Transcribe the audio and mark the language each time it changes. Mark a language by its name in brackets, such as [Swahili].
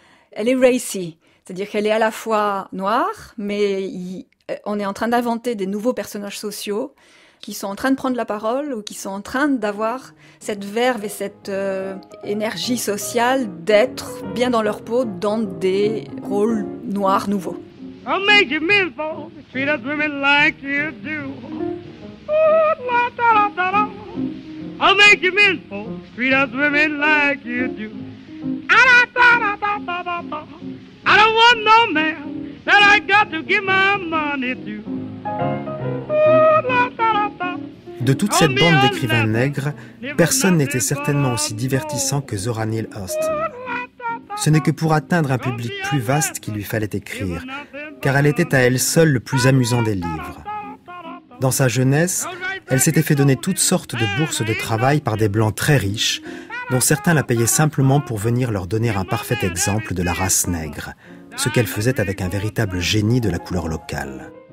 [French] Elle est racy, c'est-à-dire qu'elle est à la fois noire, mais on est en train d'inventer des nouveaux personnages sociaux qui sont en train de prendre la parole ou qui sont en train d'avoir cette verve et cette énergie sociale d'être bien dans leur peau dans des rôles noirs nouveaux. [English] I'll make you miserable, treat us women like you do. Ooh, la, da, da, da, da. I'll make you miserable, treat us women like you do. Da, da, da, da, da, da, da, da. I don't want no man that I got to give my money to. [French] De toute cette bande d'écrivains nègres, personne n'était certainement aussi divertissant que Zora Neale Hurston. Ce n'est que pour atteindre un public plus vaste qu'il lui fallait écrire, car elle était à elle seule le plus amusant des livres. Dans sa jeunesse, elle s'était fait donner toutes sortes de bourses de travail par des blancs très riches, dont certains la payaient simplement pour venir leur donner un parfait exemple de la race nègre, ce qu'elle faisait avec un véritable génie de la couleur locale.